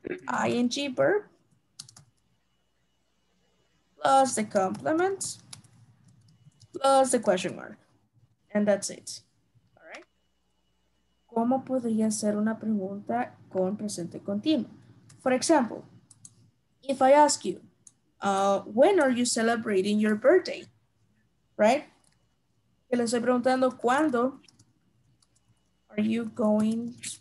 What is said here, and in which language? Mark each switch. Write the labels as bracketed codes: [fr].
[en] ING verb plus the complement plus the question mark. And that's it. All right. [es] ¿Cómo podría hacer una pregunta con presente continuo? [en] For example, if I ask you, when are you celebrating your birthday? [es] Right? Que le estoy preguntando, ¿cuándo? [en] Are you going?